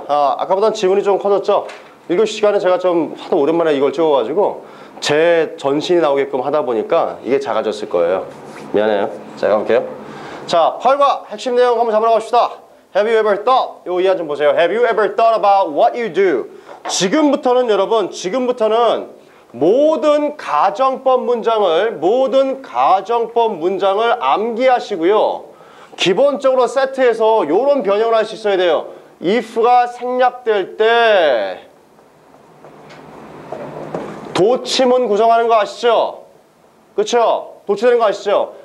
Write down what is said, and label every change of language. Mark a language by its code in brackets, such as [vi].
[ko] 아까보다는 질문이 좀 커졌죠? 일교시 시간에 제가 좀 하도 오랜만에 이걸 찍어가지고 제 전신이 나오게끔 하다 보니까 이게 작아졌을 거예요. 미안해요. 자, 가볼게요. 자, 8과 핵심 내용 한번 잡으러 갑시다. [en] Have you ever thought? [ko] 요 이하 좀 보세요. [en] Have you ever thought about what you do? [ko] 지금부터는 여러분, 지금부터는 모든 가정법 문장을, 모든 가정법 문장을 암기하시고요. 기본적으로 세트해서 요런 변형을 할 수 있어야 돼요. If가 생략될 때 도치문 구성하는 거 아시죠? 그쵸? 도치되는 거 아시죠?